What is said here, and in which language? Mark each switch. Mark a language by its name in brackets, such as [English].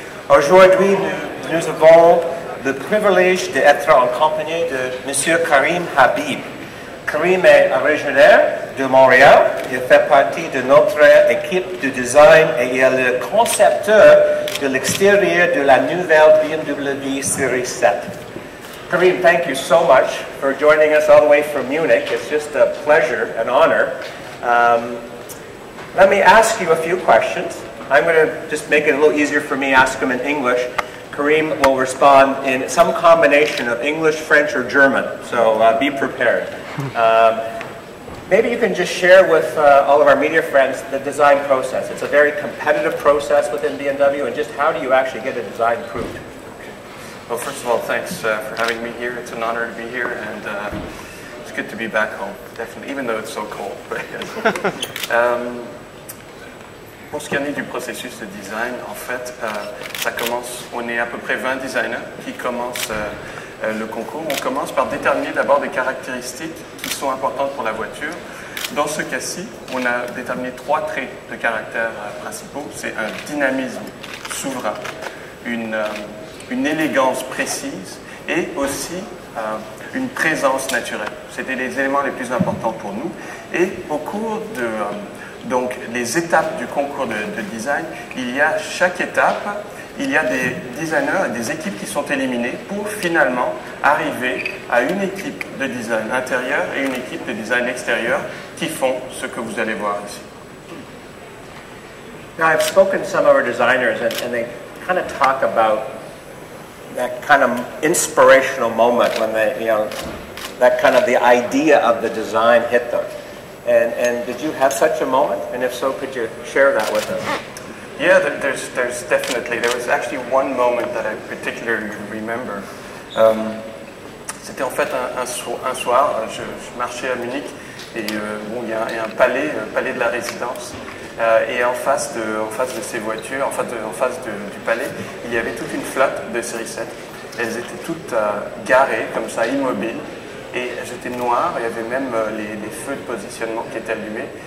[French] Aujourd'hui, nous avons le privilège d'être en compagnie de M. Karim Habib. Karim est originaire de Montréal. Il fait partie de notre équipe de design et il est le concepteur de l'extérieur de la nouvelle BMW Series 7. [English] Karim, thank you so much for joining us all the way from Munich. It's just a pleasure, an honor. Let me ask you a few questions. I'm going to just make it a little easier for me to ask them in English. Karim will respond in some combination of English, French, or German, so be prepared. Maybe you can just share with all of our media friends the design process. It's a very competitive process within BMW, and just how do you actually get a design approved? Okay. Well, first of all, thanks for having me here. It's an honor to be here, and it's good to be back home, definitely, even though it's so cold. [French] Pour ce qui en est du processus de design, en fait, ça commence, on est à peu près 20 designers qui commencent le concours. On commence par déterminer d'abord des caractéristiques qui sont importantes pour la voiture. Dans ce cas-ci, on a déterminé trois traits de caractère principaux. C'est un dynamisme souverain, une élégance précise et aussi une présence naturelle. C'était les éléments les plus importants pour nous. Et au cours de... Donc, les étapes du concours de design, il y a chaque étape, il y a des designers et des équipes qui sont éliminées pour finalement arriver à une équipe de design intérieur et une équipe de design extérieur qui font ce que vous allez voir ici. [English] Now, I've spoken to some of our designers and they kind of talk about that kind of inspirational moment when they, you know, that kind of the idea of the design hit them. And did you have such a moment? And if so, could you share that with us? Yeah, there's definitely. There was actually one moment that I particularly remember. [French] C'était en fait un soir, je marchais à Munich, et bon, il y a un palais de la résidence, et en face de ces voitures, en face du palais, il y avait toute une flotte de série 7. Elles étaient toutes garées, comme ça, immobiles. Et j'étais noir, il y avait même les feux de positionnement qui étaient allumés.